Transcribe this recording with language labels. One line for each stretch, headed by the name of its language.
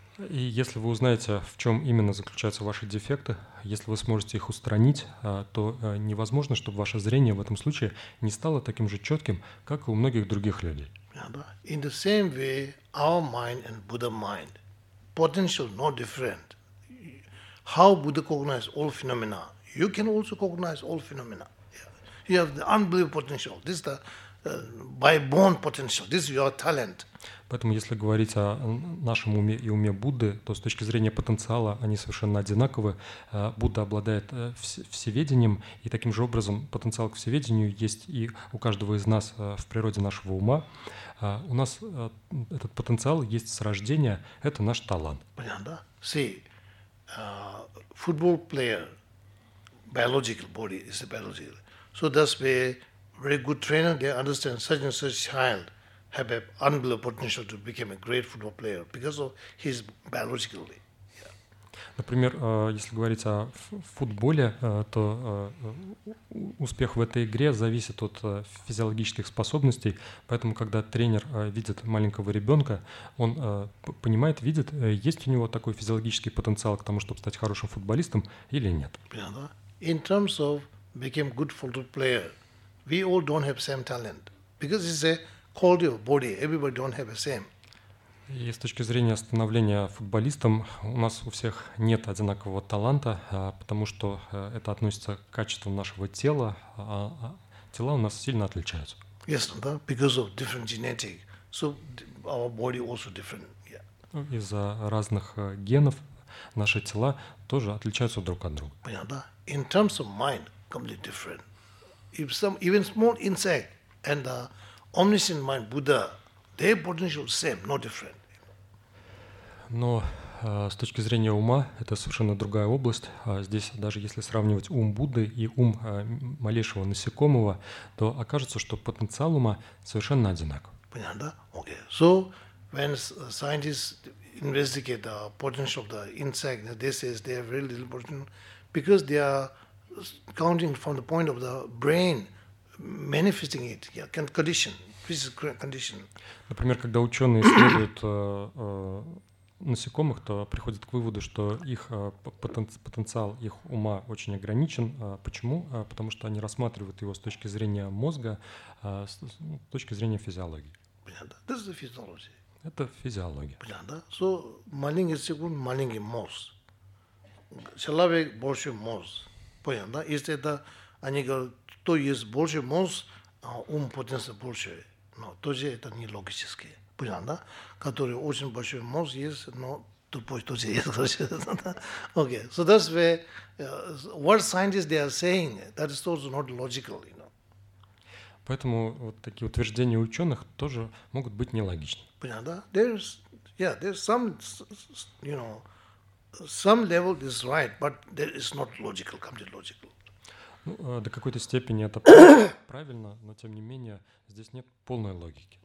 Russian: И если вы узнаете, в чем именно заключаются ваши дефекты, если вы сможете их устранить, то невозможно, чтобы ваше зрение в этом случае не стало таким же четким, как и у многих других людей.
English: In the same way, our mind and Buddha mind, potential no different. How Buddha cognize all phenomena? You can also cognize all phenomena. You have the unbelievable potential. This is the by born potential. This is your talent.
Russian: Поэтому, если говорить о нашем уме и уме Будды, то с точки зрения потенциала они совершенно одинаковы. Будда обладает всеведением, и таким же образом потенциал к всеведению есть и у каждого из нас в природе нашего ума. У нас этот потенциал есть с рождения, это наш талант. Понятно, да?
English: See, football player, biological body is a biological. So that's why very good trainer, they understand such and such child have an unbelievable potential to become a great football player because of his biological.
Russian: Например, если говорить о футболе, то успех в этой игре зависит от физиологических способностей. Поэтому, когда тренер видит маленького ребенка, он понимает, видит, есть у него такой физиологический потенциал к тому, чтобы стать хорошим футболистом или нет.
English: In terms of become good football player, we all don't have same talent because it's a quality of body. Everybody don't have the same.
Russian: И с точки зрения становления футболистом, у нас у всех нет одинакового таланта, потому что это относится к качеству нашего тела, а тела у нас сильно отличаются.
English: Yes, no, because of different genetic. So our body also different. Yeah.
Russian: Из-за разных генов наши тела тоже отличаются друг от друга. Понятно, да?
English: In terms of mind, completely different. If some even small insect and the omniscient mind Buddha, their potential same, no different.
Russian: Но с точки зрения ума это совершенно другая область. Здесь даже если сравнивать ум Будды и ум малейшего насекомого, то окажется, что потенциал ума совершенно одинаков. Понятно, да?
English: Okay. So when scientists investigate the potential of the insect, they say they have very little potential because they are counting from the point of the brain manifesting it, yeah, condition, physical condition.
Russian: Например, когда ученые исследуют насекомых, то приходят к выводу, что их потенциал их ума очень ограничен. Почему? Потому что они рассматривают его с точки зрения мозга, с точки зрения физиологии. Понятно.
English: This is the physiology.
Russian: Это физиология. Понятно. So маленький секунд, маленький мозг. Человек больше мозг. Понятно, да? Если это, они говорят, то есть больше мозг, а ум потенциал больше, но тоже это не логически. Понятно, да? Который очень большой мозг есть, но тупой тоже есть.
English: Okay, so that's where, what scientists they are saying, that is also not logical, you know.
Russian: Поэтому вот такие утверждения ученых тоже могут быть нелогичны. Понятно, да?
English: There's some, you know, some level is right, but there is not logical, completely logical.
Russian: Ну, до какой-то степени это правильно, но тем не менее здесь нет полной логики.